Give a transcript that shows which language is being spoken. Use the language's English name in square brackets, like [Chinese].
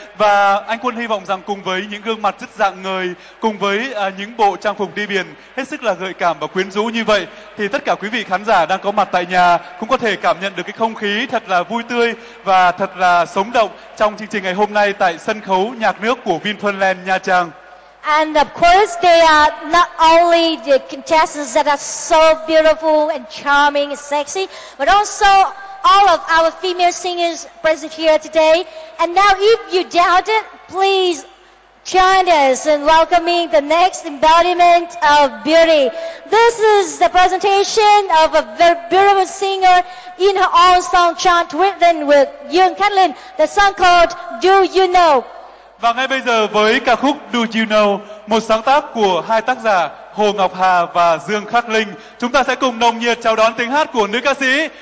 [Vietnamese] Và anh Quân hy vọng rằng cùng với những gương mặt rất rạng ngời, cùng với những bộ trang phục đi biển hết sức là gợi cảm và quyến rũ như vậy, thì tất cả quý vị khán giả đang có mặt tại nhà cũng có thể cảm nhận được cái không khí thật là vui tươi và thật là sống động trong chương trình ngày hôm nay tại sân khấu nhạc nước của Vinpearland Nha Trang. [English] And of course, they are not only the contestants that are so beautiful and charming and sexy, but also all of our female singers present here today. And now, if you doubt it, please join us in welcoming the next embodiment of beauty. This is the presentation of a very beautiful singer in her own song chant written with Yung Kathleen, the song called Do You Know? [Vietnamese] Và ngay bây giờ với ca khúc Do You Know, một sáng tác của hai tác giả Hồ Ngọc Hà và Dương Khắc Linh, chúng ta sẽ cùng nồng nhiệt chào đón tiếng hát của nữ ca sĩ